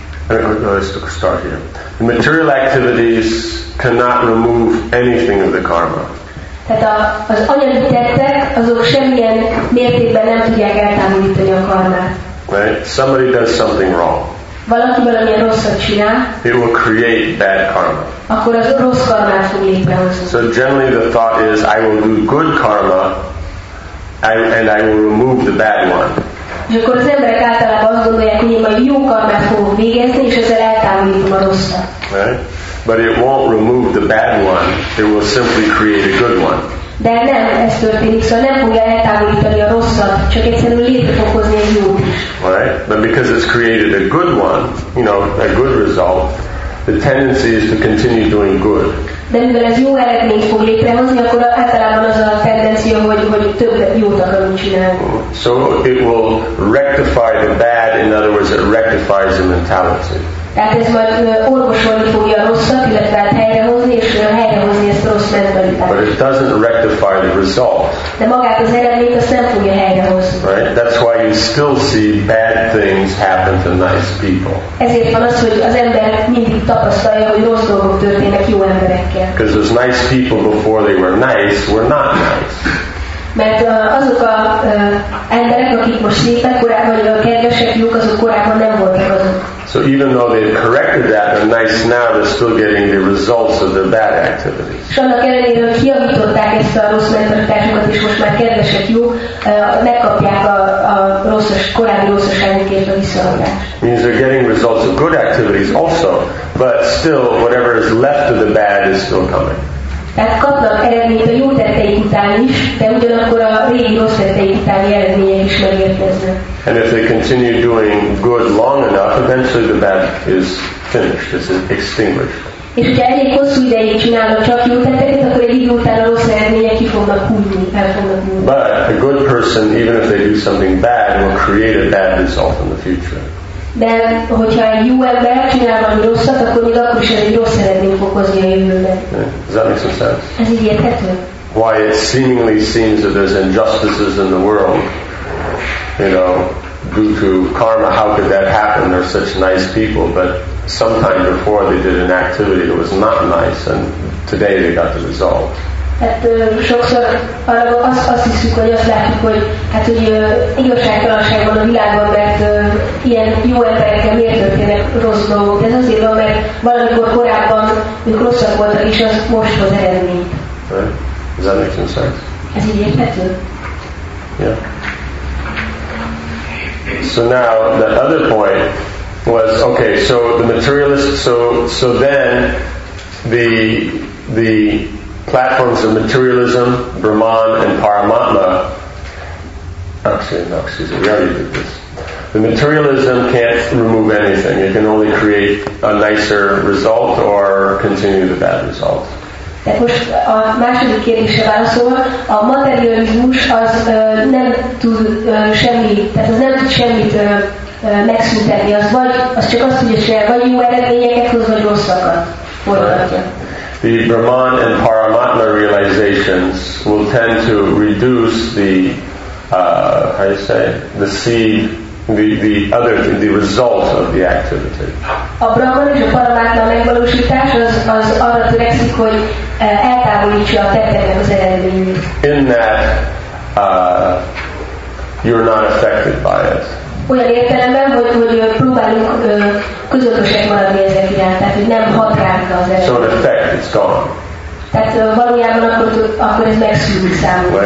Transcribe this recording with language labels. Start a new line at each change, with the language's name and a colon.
English: Let's start here. The material activities cannot remove anything of the karma.
Hungarian: Tehát az anyagi tettek, azok semmilyen mértékben nem tudják eltávolítani a karmát.
English: Right? Somebody does something wrong.
Hungarian: Valaki valamilyen rosszat csinál.
English: It will create bad karma.
Hungarian: Akkor az rossz karmát fog létrehozni.
English: So generally the thought is, I will do good karma, and I will remove the bad one.
Hungarian: És akkor az emberek általában azt gondolják, hogy én majd jó karmát fogok végezni, és ezzel eltávolítom a rosszat.
English: Right? But it won't remove the bad one. It will simply create a good one.
Hungarian: De nem, ez történik, szóval nem fogja eltávolítani a rosszat, csak egyszerűen létre fog hozni egy jót.
English: Right? But because it's created a good one, you know, a good result, the tendency is to continue doing good.
Hungarian: De mivel ez jó eredményt fog létrehozni, akkor általában az a tendencia, hogy több jót akarunk csinálni.
English: So it will rectify the bad, in other words, it rectifies the mentality.
Hungarian: Tehát ez majd orvosolni fogja a rosszat, illetve helyrehozni, és helyrehozni ezt a rossz mentalitást.
English: But but it doesn't rectify the result.
Hungarian: De magát az eredményt azt nem fogja helyrehoz.
English: Right? That's why you still see bad things happen to nice people.
Hungarian: Ezért van az, hogy az ember mindig tapasztalja, hogy rossz dolgok történnek jó emberekkel.
English: Because those nice people before they were nice were not nice.
Hungarian: Mert azok az emberek, akik most szépek, korábban vagy a kedvesek, jók, azok korábban nem voltak azok.
English: So even though they've corrected that, they're nice now, they're still getting the results of their bad activities.
Hungarian: És annak ellenére, hogy kijavították ezt a rossz mentalitásukat, és most már kedvesek, jó, megkapják a rosszos, korábbi rosszoságukért a visszaadást.
English: Means they're getting results of good activities also, but still, whatever is left of the bad is still coming.
Hungarian: Tehát kapnak eredményt a jó tetteik után is, de ugyanakkor a régi rossz tetteik utáni eredmények is megérkeznek.
English: And if they continue doing good long enough, eventually the bad is finished, it's extinguished.
Hungarian: És hogyha elég hosszú ideig csinálnak csak jó tetteket, akkor egy idő után a rossz eredmények ki fognak hullni, el fognak hullni.
English: But a good person, even if they do something bad, will create a bad result in the future.
Hungarian: De hogyha egy jó ember csinál valami rosszat, akkor még akkor is egy rossz eredmény fog hozni a jövőbe.
English: Yeah. Does that make some sense?
Hungarian: Ez így érthető?
English: Why it seemingly seems that there's injustices in the world, you know, due to karma, how could that happen? They're such nice people, but sometime before they did an activity that was not nice, and today they got the result.
Hungarian: Hát sokszor arra azt hiszük, hogy azt látjuk, hogy hát, hogy igazságtalanság van a világban, mert ilyen jó emberekkel miért történnek rossz dolgok. De ez azért van, mert valamikor korábban ők rosszak voltak, és az most az eredmény.
English: Right. Does that make sense?
Hungarian: Ez így érthető?
English: So now the other point was okay. So the materialist. So then the platforms of materialism, Brahman and Paramatma. Actually, we already did this. The materialism can't remove anything. It can only create a nicer result or continue the bad result.
Hungarian: Tehát most a második kérdésre válaszolva, a materializmus az nem tud semmit, tehát az nem tud semmit megszüntetni, az vagy, az csak azt tudja csinálni, vagy jó eredményeket hoz, vagy rosszakat forgatja.
English: The Brahman and Paramatma realizations will tend to reduce the the result of the activity.
Hungarian: A Brahman és a Paramatma megvalósítás az arra törekszik, hogy eltávolítsa a tetteknek az eredményét.
English: In that you're not affected by it.
Hungarian: Olyan értelemben, hogy próbálunk közötösek maradni ezek iránt, tehát hogy nem hat ránk az eredmény.
English: So the effect is gone.
Hungarian: Tehát valójában akkor ez megszűnik számunkra.